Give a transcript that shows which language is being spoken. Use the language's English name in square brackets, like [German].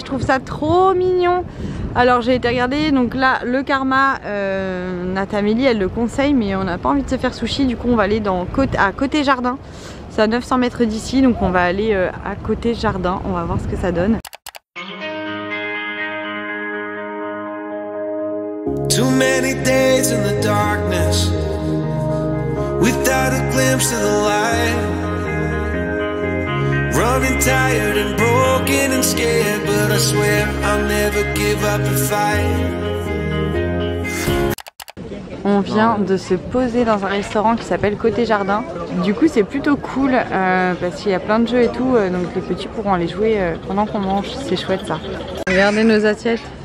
[French] Je trouve ça trop mignon. Alors, j'ai été regarder, donc là, le Karma, Natamélie, elle le conseille, mais on n'a pas envie de se faire sushi. Du coup, on va aller dans Côté Jardin. C'est à 900 mètres d'ici, donc on va aller à Côté Jardin, on va voir ce que ça donne. [English] Too many days in the darkness, without a glimpse of the light. Running tired and broken and scared, but I swear I'll never give up the fight. [French] On vient de se poser dans un restaurant qui s'appelle Côté Jardin. Du coup, c'est plutôt cool parce qu'il y a plein de jeux et tout. Donc les petits pourront aller jouer pendant qu'on mange. C'est chouette ça. Regardez nos assiettes.